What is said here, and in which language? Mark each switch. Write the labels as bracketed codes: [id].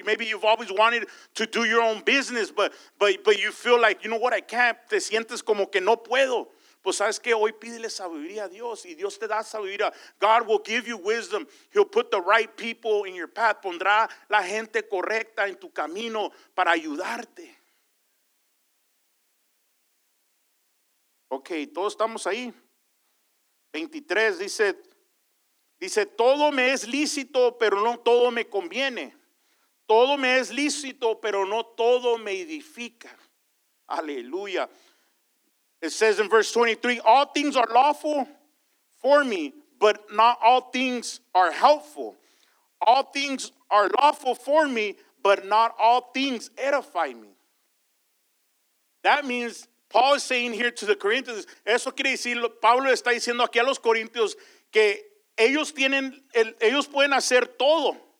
[en] Maybe you've always wanted to do your own business, but you feel like, you know what, I can't. [es] Te sientes como que no puedo. Pues sabes que hoy pídele sabiduría a Dios y Dios te da sabiduría. [en] God will give you wisdom. He'll put the right people in your path. [es] Pondrá la gente correcta en tu camino para ayudarte. Okay, todos estamos ahí. 23 dice... Dice, todo me es lícito, pero no todo me conviene. Todo me es lícito, pero no todo me edifica. Aleluya. [en] It says in verse 23, all things are lawful for me, but not all things are helpful. All things are lawful for me, but not all things edify me. That means Paul is saying here to the Corinthians, [es] eso quiere decir, Pablo está diciendo aquí a los Corintios que ellos pueden hacer todo.